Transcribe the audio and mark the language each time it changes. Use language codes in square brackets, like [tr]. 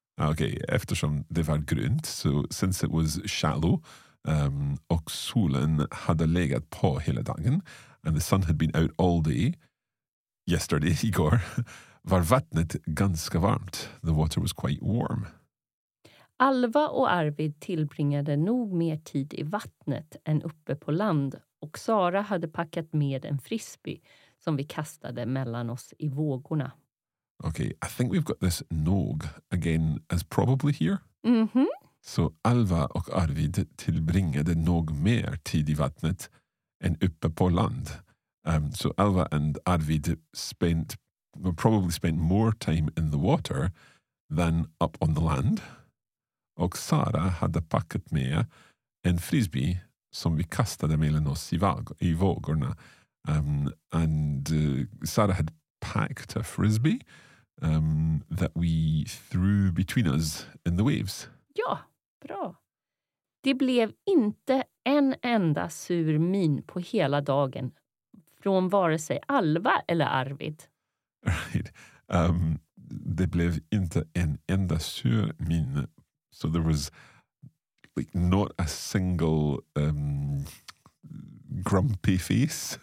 [sv] Okay, eftersom det var grunt, [en] so since it was shallow [sv] och solen hade legat på hela dagen [en] and the sun had been out all day yesterday, [sv] igår, var vattnet ganska varmt. [en] The water was quite warm. [sv] Alva och Arvid tillbringade nog mer tid i vattnet än uppe på land och Sara hade packat med en frisbee som vi kastade mellan oss i vågorna. [en] Okay, I think we've got this nog again as probably here. Mm-hmm. [sv] Så Alva och Arvid tillbringade nog mer tid i vattnet än uppe på land. [en] So Alva and Arvid probably spent more time in the water than up on the land. [sv] Och Sara hade packat med en frisbee som vi kastade mellan oss i vågorna. [en] Sara had packed a frisbee that we threw between us in the waves. [sv] Ja, bra. Det blev inte en enda sur min på hela dagen från vare sig Alva eller Arvid. [en] Right. [sv] Det blev inte en enda sur min. [en] So there was like not a single grumpy face